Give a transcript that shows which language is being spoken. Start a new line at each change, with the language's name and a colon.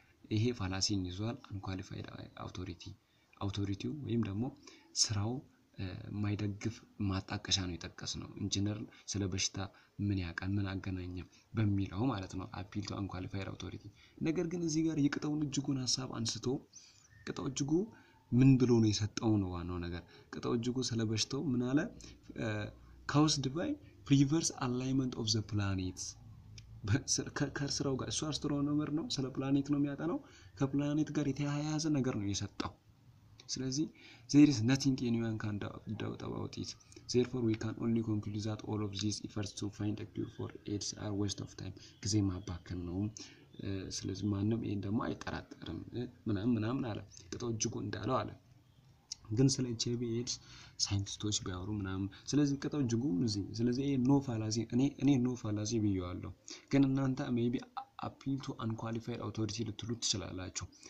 Amharic: ይሄ ፋላሲን ይዟል። አንኳሊፋይድ አውቶሪቲ አውቶሪቲው ወይም ደግሞ ስራው የማይደግፍ ማጣቀሻ ነው የጠቀስ ነው። ኢንጂነር ስለ በሽታ ምን ያውቃል፣ ምን አገናኘም በሚለው ማለት ነው። አፒል ቱ አንኳሊፋይድ አውቶሪቲ። ነገር ግን እዚህ ጋር የቅጠውን እጅጉን ሀሳብ አንስቶ ቅጠው እጅጉ ምን ብሎ ነው የሰጠው ነው ዋናው ነገር። ቅጠው እጅጉ ስለ በሽታው ምን አለ?
English: ካውስድ ባይ ሪቨርስ አላይንመንት ኦፍ ዘ ፕላኔትስ።
Amharic: ከስራው ጋር እሱ አስትሮኖመር ነው፣ ስለ ፕላኔት ነው የሚያጠናው፣ ከፕላኔት ጋር የተያያዘ ነገር ነው የሰጠው። ስለዚህ
English: ዜር ኢዝ ነቲንግ ኤኒዋን ካን ዳውት አባውት ኢት Therefore, we can only conclude that all of these efforts to find a cure for AIDS are a waste of time.
Amharic: ጊዜ ማባከን ነው። ስለዚህ ማንም ይሄን ደግሞ አይጠራጠርም ምናምን ምናምን አለ። ቅጦ እጅጉ እንዳለው አለ። ግን ስለ ኤችአይቪ ኤድስ ሳይንቲስቶች ቢያወሩ ምናምን ስለዚህ ቅጠው እጅጉ እዚህ ስለዚህ ይሄ ኖ ፋላሲ እኔ ኖ ፋላሲ ብየዋለሁ። ግን እናንተ ሜቢ አፒል ቱ አንኳሊፋይድ አውቶሪቲ ልትሉ ትችላላችሁ።